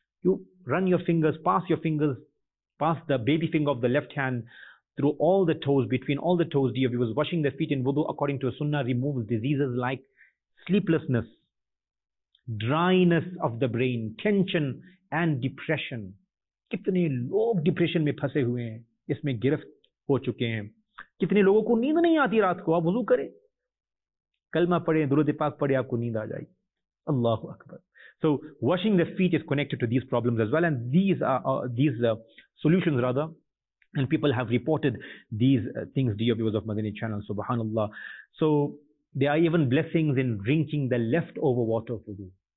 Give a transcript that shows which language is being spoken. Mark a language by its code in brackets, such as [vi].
[en] You run your fingers, pass the baby finger of the left hand through all the toes, between all the toes, dear viewers. Washing the feet in wudu according to a sunnah removes diseases like sleeplessness, dryness of the brain, tension and depression. [ur] Kitne log depression mein phase hue hain, isme girift ہو چکے ہیں. کتنے لوگوں کو نیند نہیں آتی رات کو, آپ وضو کریں, کلمہ پڑھیں, درود پاک پڑھیں, آپ کو نیند آ جائے. اللہ اکبر. [en] So washing the feet is connected to these problems as well, and these are solutions rather, and people have reported these things dear viewers of Madani channel, subhanallah. So there are even blessings in drinking the leftover water of wudu.